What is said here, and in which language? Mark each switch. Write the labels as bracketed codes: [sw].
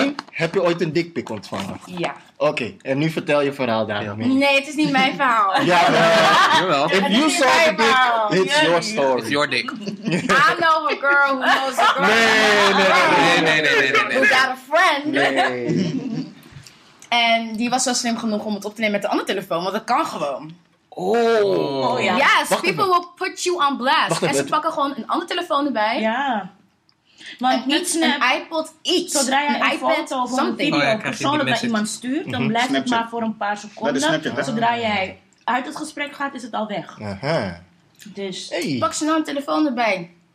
[nl] Heb je ooit een dickpic ontvangen? Ja. Oké, en nu vertel je verhaal daarmee. Nee, het is niet mijn verhaal. Ja, jawel. [en] If you saw the dick, it's your story. It's your dick. I know a girl who knows a girl. [nl] Nee. [en] Who got a friend. [nl] En die was wel slim genoeg om het op te nemen met de andere telefoon, want dat kan gewoon. Oh ja. [en] Yes, people will put you on blast. [nl] En ze pakken gewoon een andere telefoon erbij. Ja. Maar iets, een iPod, iets. Zodra je een foto of een video persoonlijk naar iemand stuurt, dan blijft het maar voor een paar seconden. Zodra jij uit het gesprek gaat, is het al weg. Dus pak ze nou een telefoon erbij.